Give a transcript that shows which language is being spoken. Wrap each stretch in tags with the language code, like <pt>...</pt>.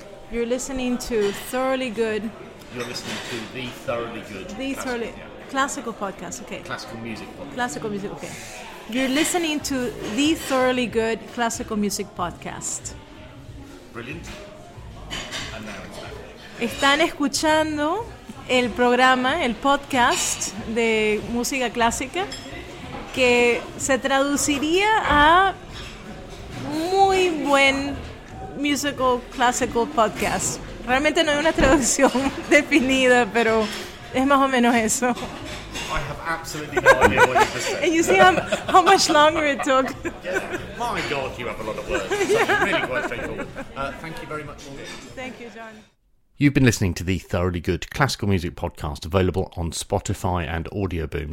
<en>You're listening to Thoroughly Good. You're listening to The Thoroughly Good. The classical, Thoroughly... Yeah. Classical podcast, okay. Classical music podcast. Classical music, okay. You're listening to The Thoroughly Good Classical Music Podcast. Brilliant. And now it's back.</en> <es>Están escuchando el programa, el podcast de música clásica, que se traduciría a muy buen...</es> <en>musical classical podcast.</en> <es>Realmente no hay una traducción definida, pero es más o menos eso.</es> <en>I have absolutely no idea what you're saying. And you see how much longer it took. Yeah. My God, you have a lot of words. It's really quite straightforward. Thank you very much. Thank you, John. You've been listening to the Thoroughly Good Classical Music Podcast, available on Spotify and Audioboom.</en>